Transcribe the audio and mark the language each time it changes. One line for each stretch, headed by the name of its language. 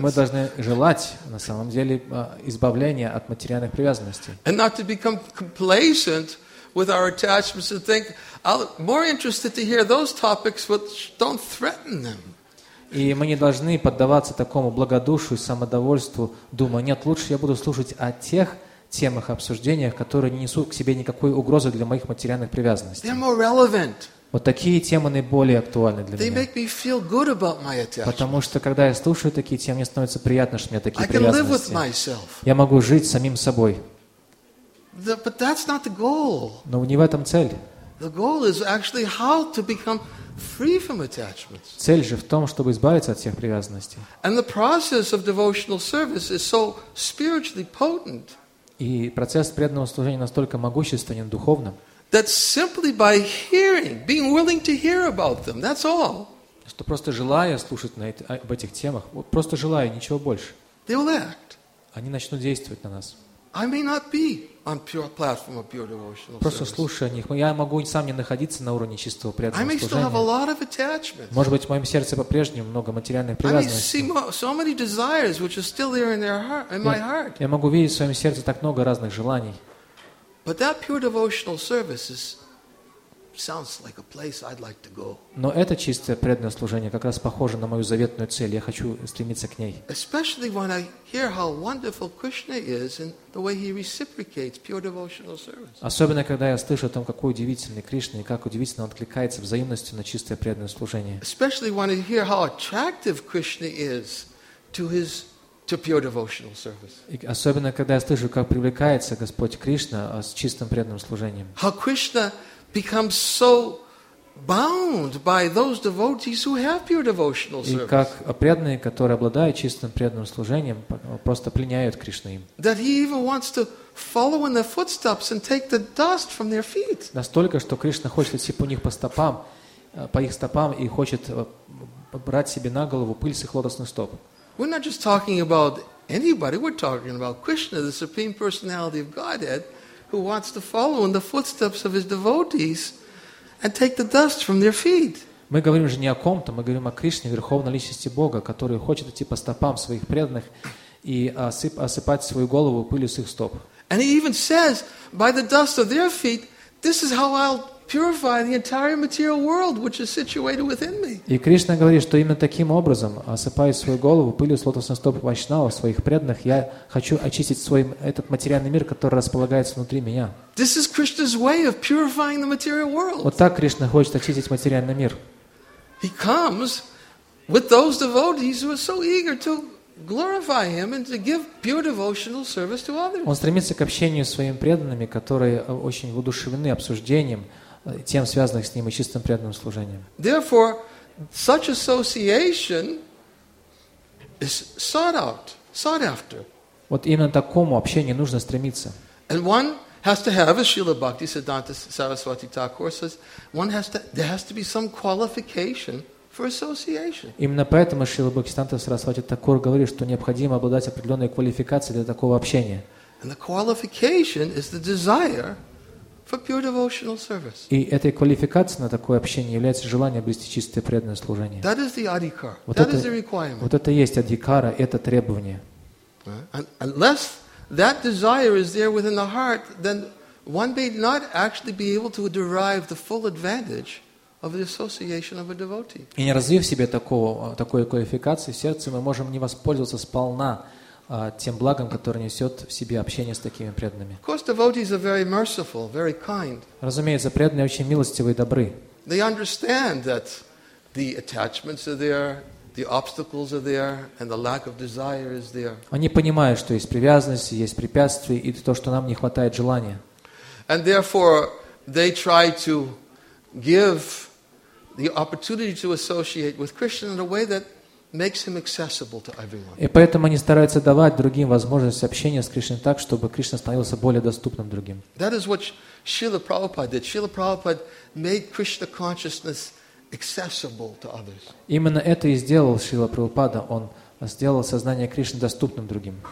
Russian: Мы должны желать, на самом деле, избавления от материальных привязанностей.
English: And not to become complacent with our attachments and think, I'm more interested to hear those topics which don't threaten them.
Russian: И мы не должны поддаваться такому благодушию, самодовольству, думая, нет, лучше я буду слушать о тех темах, обсуждениях, которые не несут к себе никакой угрозы для моих материальных привязанностей.
English: They're more relevant.
Russian: Вот такие темы наиболее актуальны для
English: They
Russian: меня.
English: Make me feel good about my attachments.
Russian: Потому что, когда я слушаю такие темы, мне становится приятно, что у меня такие привязанности. Я могу жить самим собой.
English: But that's not the goal.
Russian: Но не в этом цель.
English: The goal is actually how to become free from attachments.
Russian: Цель же в том, чтобы избавиться от всех привязанностей.
English: And the process of devotional service is so spiritually potent.
Russian: И процесс преданного служения настолько могущественен, духовным,
English: That simply by hearing, being willing to hear about them, that's all.
Russian: Что просто желая слушать об этих темах, просто желая, ничего больше.
English: They will act.
Russian: Они начнут действовать на нас.
English: I may not be on pure platform of pure devotional service.
Russian: Просто слушая о них, я могу сам не находиться на уровне чистого преданного служения.
English: I may still have a lot of attachments.
Russian: Может быть, в моем сердце по-прежнему много материальных привязанностей.
English: I may see so many desires which are still there in their heart, in my heart.
Russian: Я могу видеть в своем сердце так много разных желаний.
English: But that pure devotional service sounds like a place I'd like to go.
Russian: Но это чистое преданное служение как раз похоже на мою заветную цель. Я хочу стремиться к ней.
English: Especially when I hear how wonderful Krishna is and the way he reciprocates pure devotional service.
Russian: Особенно когда я слышу о том, какой удивительный Кришна и как удивительно он откликается взаимностью на чистое преданное служение.
English: Especially when I hear how attractive Krishna is to his To pure devotional service.
Russian: И особенно когда я слышу, как привлекается Господь Кришна с чистым преданным служением.
English: How Krishna become so bound by those devotees who have pure devotional service.
Russian: И как преданные, которые обладают чистым преданным служением, просто пленяют Кришну им.
English: That he even wants to follow in their footsteps and take the dust from their feet.
Russian: Настолько, что Кришна хочет идти по них по их стопам и хочет брать себе на голову пыль с их лотосных стоп.
English: We're not just talking about anybody. We're talking about Krishna, the supreme personality of Godhead, who wants to follow in the footsteps of his devotees and take the dust from their feet.
Russian: Мы говорим же не о ком-то, мы говорим о Кришне, верховной личности Бога, который хочет идти по стопам своих преданных и осыпать свою голову пылью с их стоп.
English: And he even says, by the dust of their feet, this is how I'll purify the entire material world which is situated within me.
Russian: И Кришна говорит, что именно таким образом, осыпая свою голову пылью с лотосных стоп вайшнава, своих преданных, я хочу очистить свой этот материальный мир, который располагается внутри меня.
English: This is Krishna's way of purifying the material world.
Russian: Вот так Кришна хочет очистить материальный мир.
English: He comes with those devotees who are so eager to glorify him and to give pure devotional service to others.
Russian: Он стремится к общению с своими преданными, которые очень воодушевлены обсуждением тем, связанных с ним и чистым преданным служением.
English: Therefore, such association is sought after.
Russian: Вот именно такому общению нужно стремиться.
English: And one has to have, as Srila Bhakti Siddhanta Saraswati Thakur says, there has to be some qualification for association.
Russian: Именно поэтому Шрила Бхактисиддханта Сарасвати Такур говорит, что необходимо обладать определенной квалификацией для такого общения.
English: And the qualification is the desire for pure devotional service.
Russian: И этой квалификацией на такое общение является желание обрести чистое преданное служение.
English: That is the adhikar. That is the requirement.
Russian: Вот это есть адхикара, это требование.
English: Unless that desire is there within the heart, then one may not actually be able to derive the full advantage of the association of a devotee.
Russian: И не развив в себе такой квалификации в сердце, мы можем не воспользоваться сполна тем благом, которое несет в себе общение с такими преданными.
English: Of course, devotees are very merciful, very kind.
Russian: Разумеется, преданные очень милостивы и добры.
English: They understand that the attachments are there, the obstacles are there, and the lack of desire is there.
Russian: Они понимают, что есть привязанность, есть препятствия и то, что нам не хватает желания.
English: And therefore, they try to give the opportunity to associate with Krishna in a way that makes him accessible to everyone.
Russian: И поэтому они стараются давать другим возможность общения с Кришной так, чтобы Кришна становился более доступным другим.
English: That is what Srila Prabhupada did. Srila Prabhupada made Krishna consciousness accessible to others.
Russian: Именно это и сделал Шрила Прабхупада. Он сделал сознание Кришны доступным другим.